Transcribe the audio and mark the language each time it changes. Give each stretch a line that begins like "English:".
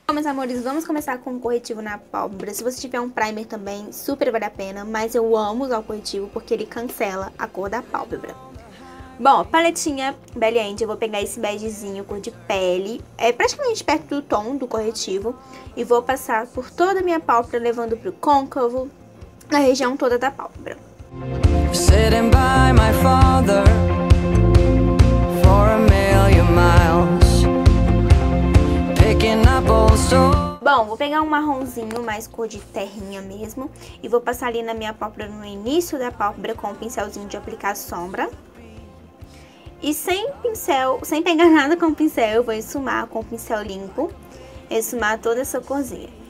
Portuguese: Bom, meus amores, vamos começar com um corretivo na pálpebra. Se você tiver um primer também, super vale a pena, mas eu amo usar o corretivo porque ele cancela a cor da pálpebra. Bom, paletinha Belly End, eu vou pegar esse begezinho, cor de pele, é praticamente perto do tom do corretivo, e vou passar por toda a minha pálpebra, levando pro côncavo, na região toda da pálpebra.
English: Sitting by my father for a million miles, picking up old stories.
Portuguese: Bom, vou pegar um marronzinho, mais cor de terrinha mesmo, e vou passar ali na minha pálpebra, no início da pálpebra, com um pincelzinho de aplicar sombra. E sem pincel, sem pegar nada com o pincel, eu vou esfumar com o pincel limpo, esfumar toda essa corzinha.